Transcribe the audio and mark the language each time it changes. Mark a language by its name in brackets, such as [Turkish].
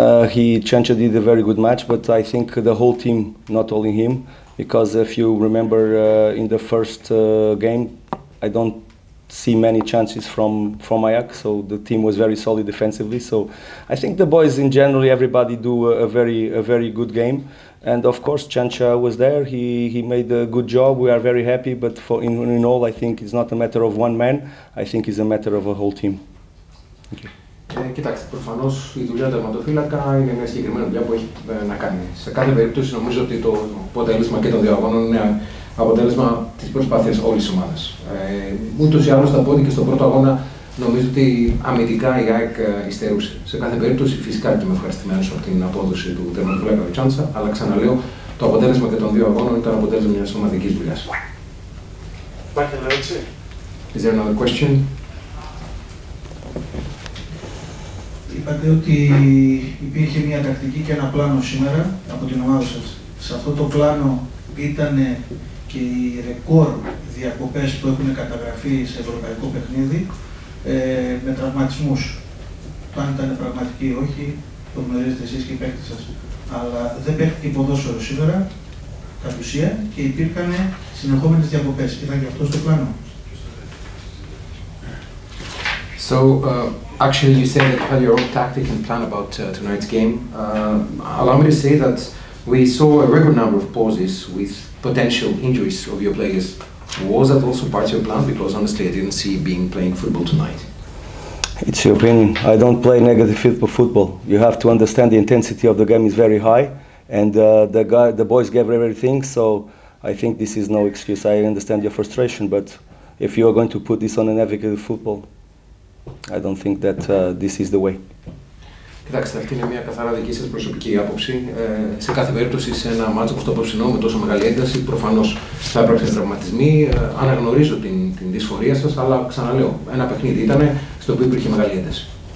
[English] he Chancho did a very good match, but I think the whole team, not only him, because if you remember in the first game, I don't see many chances from AEK, so the team was very solid defensively. So I think the boys in general, everybody do a very good game. And of course, Chancho was there. He made a good job. We are very happy, but in all, I think it's not a matter of one man. I think it's a matter of a whole team. Thank you. [Greek] Κοιτάξτε, προφανώς η δουλειά του τερματοφύλακα είναι μια συγκεκριμένη δουλειά που έχει να κάνει. Σε κάθε περίπτωση, νομίζω ότι το αποτέλεσμα και των δύο αγώνων είναι αποτέλεσμα της προσπάθειας όλης της ομάδας. Ούτως ή άλλως, θα πω ότι και στον πρώτο αγώνα, νομίζω ότι αμυντικά η ΑΕΚ υστερούσε. Σε κάθε περίπτωση, φυσικά και είμαι ευχαριστημένος από την απόδοση του τερματοφύλακα Τσάντσα, αλλά ξαναλέω, το αποτέλεσμα και των δύο αγώνων ήταν αποτέλεσμα μιας ομαδικής δουλειάς. Υπάρχει μια ερώτηση. [English] Is there another question? [Greek] Είπατε ότι υπήρχε μια τακτική και ένα πλάνο σήμερα από την ομάδα σας. Σε αυτό το πλάνο ήταν και οι ρεκόρ διακοπές που έχουν καταγραφεί σε ευρωπαϊκό παιχνίδι με τραυματισμούς. Το αν ήταν πραγματική ή όχι, το γνωρίζετε εσείς και οι παίκτες σας. Αλλά δεν παίχτηκε ποδόσφαιρο σήμερα, κατ' ουσία, και υπήρχαν συνεχόμενες διακοπές. Ήταν και αυτό το πλάνο. [English] So, actually, you said that you had your own tactic and plan about tonight's game. Allow me to say that we saw a record number of pauses with potential injuries of your players. Was that also part of your plan? Because honestly, I didn't see being playing football tonight. It's your opinion. I don't play negative football. You have to understand the intensity of the game is very high, and the boys gave everything. So I think this is no excuse. I understand your frustration, but if you are going to put this on a negative football, I don't think that this is the way. [Greek] Κοιτάξτε, αυτή είναι μια καθαρά δική σας προσωπική άποψη. Σε κάθε περίπτωση, σε ένα μάτσο όπως το απόψινό, με τόσο μεγάλη ένταση, προφανώς θα έπρεπε τραυματισμοί. Αναγνωρίζω την δυσφορία σας, αλλά ξαναλέω, ένα παιχνίδι ήταν στο οποίο υπήρχε μεγάλη ένταση.